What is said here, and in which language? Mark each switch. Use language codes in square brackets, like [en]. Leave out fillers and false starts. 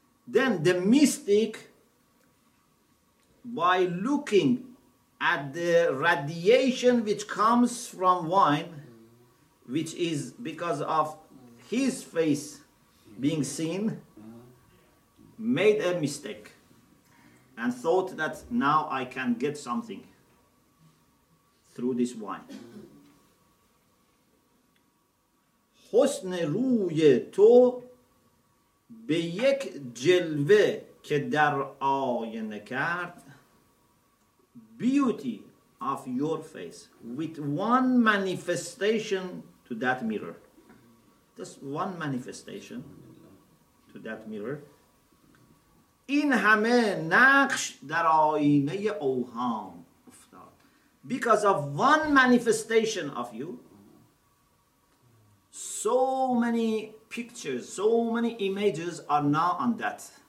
[en] Then the mystic, by looking at the radiation which comes from wine, which is because of his face being seen, made a mistake and thought that now I can get something through this wine. [fa] حسن روی تو به یک جلوه که در آینه کرد. [en] Beauty of your face with one manifestation to that mirror. Just one manifestation to that mirror. [fa] این همه نقش در آینه اوهام افتاد. [en] Because of one manifestation of you, so many pictures, so many images are now on that.